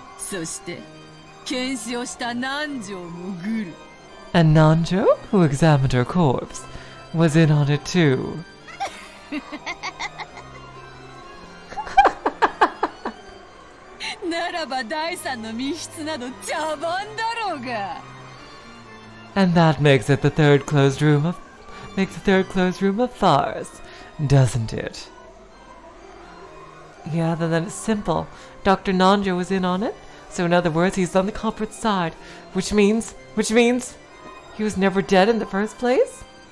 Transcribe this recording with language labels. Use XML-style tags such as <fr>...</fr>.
<ja>そして、検視をした南條もグル。</ja> <en>And Nanjo, who examined her corpse, was in on it too.</en> <ja>ならば第三の密室など茶番だろうが。</ja> <en>And that makes it the third closed room of, makes the third closed room a farce, doesn't it? Yeah, then it's simple. Dr. Nanjo was in on it. So in other words, he's on the culprit's side. Which means... He was never dead in the first place?</en>